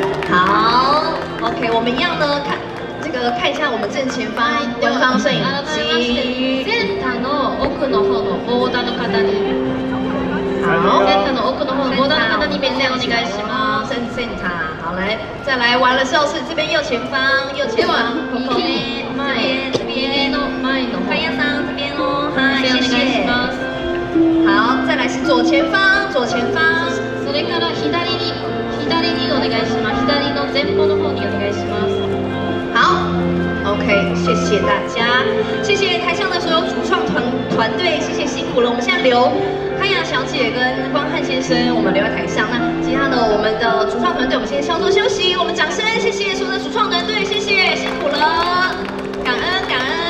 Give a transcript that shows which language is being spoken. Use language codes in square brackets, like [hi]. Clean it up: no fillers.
[zh] 好 ，OK， 我们一样呢，看这个看一下我们正前方官方摄影机。 [ja] センターの奥の方のボーダーの方に。 [zh] 好。 [ja] センターの奥の方のボーダーの方に面接お願いします。センセンター。 [zh] 好嘞，再来完了之后是这边右前方，右前方。右前方。这边 [ja] の前の。 [zh] 飯屋さん这边哦。好，谢谢。好，再来是左前方，左前方。 [ja] それから左に。左にお願いします。左の前方の方にお願いします。 [zh] 好 ，OK， 谢谢大家，谢谢台上的所有主创团队，谢谢辛苦了。我们现在留汉雅小姐跟光汉先生，我们留在台上。那其他的我们的主创团队，我们先稍作休息。我们掌声，谢谢所有的主创团队，谢谢辛苦了，感恩感恩。